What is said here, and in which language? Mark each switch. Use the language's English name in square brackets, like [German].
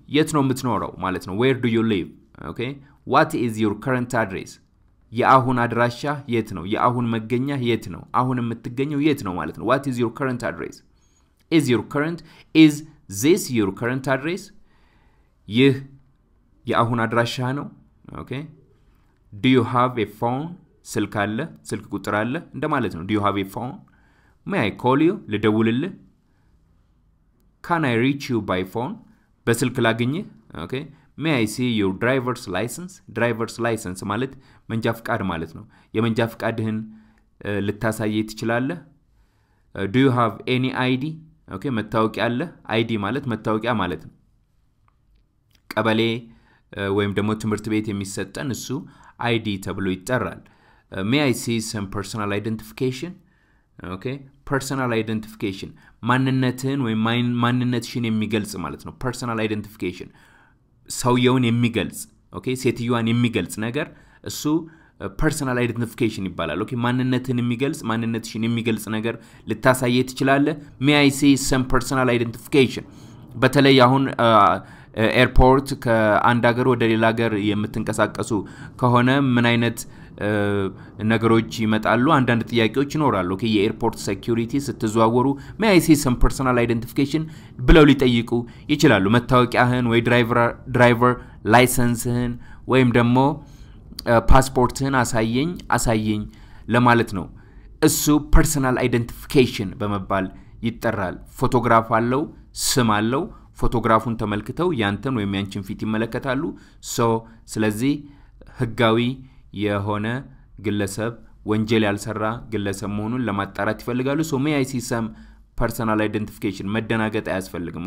[Amharic] የት ነው የምትኖረው ማለት ነው። [English] Where do you live? Okay, what is your current address? [Amharic] የአሁን አድራሻ የት ነው? የአሁን መገኛ የት ነው? አሁን የምትገኘው የት ነው ማለት ነው። [English] What is your current address? Is your current is this your current address? [Amharic] ይህ የአሁን አድራሻ ነው? [English] Okay. Do you have a phone? [Amharic] ስልክ አለ? ስልክ ቁጥር አለ እንደማለት ነው። [English] Do you have a phone? May I call you? [Amharic] ልደውልልህ? [English] Can I reach you by phone? [Amharic] በስልክ ላገኝህ? [English] Okay. May I see your driver's license? [Amharic] Driver's license ማለት መንጃ ፈቃድ ማለት ነው። የመንጃ ፈቃድህን ልታሳየኝ ትችላለህ? [English] Do you have any ID? [Amharic] ኦኬ መታወቂያ አለ? አይዲ ማለት መታወቂያ ማለት ነው። ቀበሌ ወይም ደግሞ ትምህርት ቤት የሚሰጠን እሱ ID ተብሎ ይጠራል. [English] May I see some personal identification? Okay. Personal identification. [Amharic] ማንነትን ወይም ማንነትሽን የሚገልጽ ማለት ነው. [English] Personal identification. [Amharic] ሰውየውን የሚገልጽ. Okay. ሴትዮዋን የሚገልጽ ነገር እሱ personal identification ይባላል. Okay. ማንነትን የሚገልጽ ማንነትሽን የሚገልጽ ነገር ልታሳይ ትችላለህ. [English] May I see some personal identification? [Amharic] በተለይ አሁን ኤርፖርት ከአንድ ሀገር ወደ ሌላ ሀገር የምትንቀሳቀሱ ከሆነ ምን አይነት ነገሮች ይመጣሉ? አንዳንድ ጥያቄዎች ይኖራሉ. ኦኬ የኤርፖርት ሴኩሪቲ ስትዘዋወሩ [English] may I see some personal identification [Amharic] ብለው ሊጠይቁ ይችላሉ. መታወቂያህን ወይ ድራይቨር ላይሰንስህን ወይም ደግሞ ፓስፖርትህን አሳየኝ ለማለት ነው. እሱ personal identification በመባል ይጠራል. ፎቶግራፍ አለው ስም አለው. ፎቶግራፉን ተመልክተው ያንተን ወይም ያንቺን ፊት ይመለከታሉ. ሶ ስለዚህ ህጋዊ የሆነ ግለሰብ ወንጀል ያልሰራ ግለሰብ መሆኑን ለማጣራት ይፈልጋሉ. ሶ [English] may I see some personal identification [Amharic] መደናገጥ አያስፈልግም.